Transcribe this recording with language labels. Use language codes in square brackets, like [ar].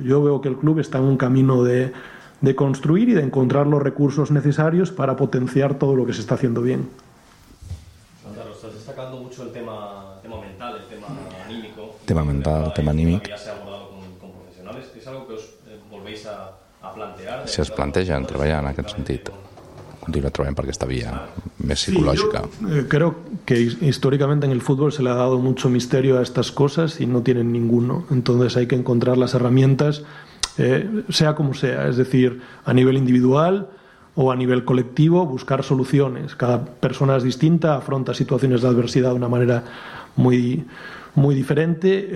[es] Yo veo que el club está en un camino de construir y de encontrar los recursos necesarios para potenciar todo lo que se está haciendo bien. Santiago, estás destacando mucho el tema mental, el tema anímico. Tema mental, el tema anímico. Ya se ha abordado con profesionales. ¿Es algo que os volvéis a plantear? [ca] Si es planteja en treballar en aquest sentit. Continuar treballant per aquesta via més psicològica. [es] Sí, yo creo que históricamente en el fútbol se le ha dado mucho misterio a estas cosas y no tienen ninguno. Entonces hay que encontrar las herramientas, sea como sea, es decir, a nivel individual o a nivel colectivo, buscar soluciones. Cada persona es distinta, afronta situaciones de adversidad de una manera muy, muy diferente.